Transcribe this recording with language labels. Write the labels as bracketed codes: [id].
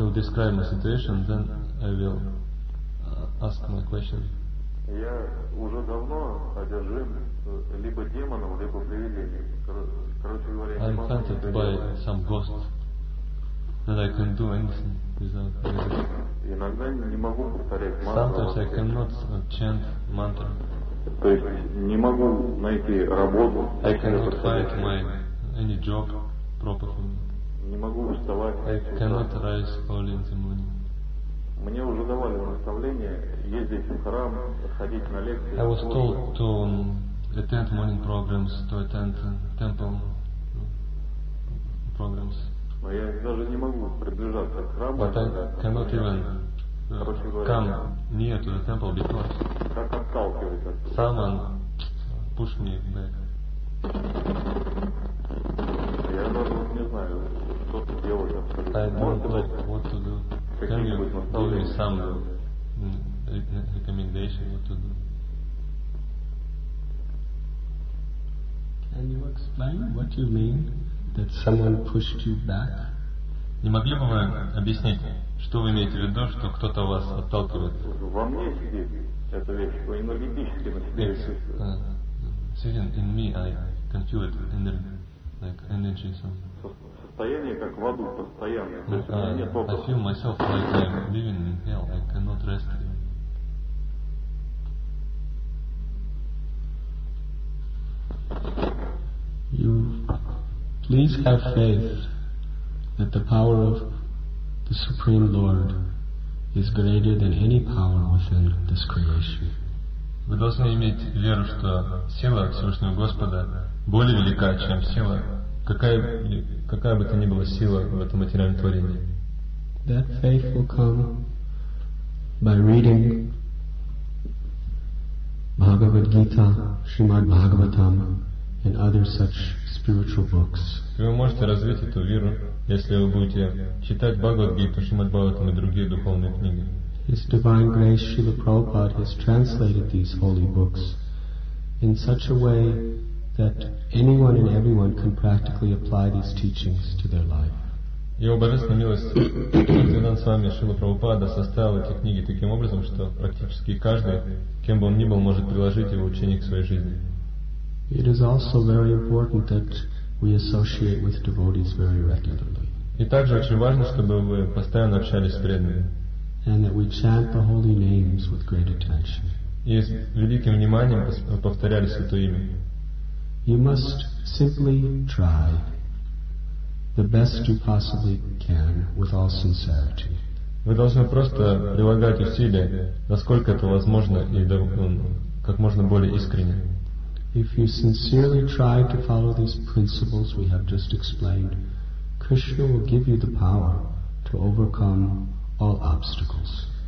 [en] will describe my situation, then I will ask my question. [ru] Я уже давно одержим либо демоном, либо привидением. Короче говоря, [en] I'm hunted by some ghost that I can do anything without. [ru] Иногда не могу повторять мантру. [en] Sometimes I cannot chant mantra. [ru] То есть не могу найти работу. [en] I cannot find my any job properly. [ru] Не могу вставать. [en] I cannot rise early in the morning. [ru] Мне уже давали наставление ездить в храм, ходить на лекции. [en] I was told to attend morning programs, to attend temple programs. [ru] Но я даже не могу приближаться к храму. [en] But I cannot even come near to the temple because [ru] как отталкивается? [en] Someone pushed me back. [ru] Я даже не знаю, что тут делать абсолютно. [en] I don't know what to do. Can you give me some recommendation what to do? Can you explain what you mean that someone pushed you back? [ru] Не могли бы вы объяснить, что вы имеете в виду, что кто-то вас отталкивает? Во мне сидит эта вещь, вы энергетически на себе решите. [en] Sitting in me, I can feel it, like energy. [ru] Состояние как в аду, постоянное. [en] I feel myself like I'm living in hell, I cannot rest. You please have faith that the power of the Supreme Lord is greater than any power within this creation. [ru] Вы должны иметь веру, что сила Всевышнего Господа более велика, чем сила, какая бы то ни была сила в этом материальном творении. [en] That faith will come by reading Bhagavad Gita, Srimad Bhagavatam, and other such spiritual books. [ru] Вы можете развить эту веру, если вы будете читать Бхагавад-гиту, Шримад-Бхагаватам и другие духовные книги. [en] His divine grace Srila Prabhupada has translated these holy books in such a way that anyone and everyone can practically apply these teachings to their life. [ru] Его божественная милость с вами Шрила Прабхупада составил эти книги таким образом, что практически каждый, кем бы он ни был, может приложить его учение к своей жизни. [en] It is also very important that we associate with devotees very regularly. [ru] И также очень важно, чтобы вы постоянно общались с преданными. [en] And that we chant the holy names with great attention. [ru] И с великим вниманием повторяли святое имя. [en] You must simply try the best you possibly can with all sincerity. [ru] Вы должны просто прилагать усилия, насколько это возможно и как можно более искренне. [en] If you sincerely try to follow these principles we have just explained, Krishna will give you the power to overcome all obstacles.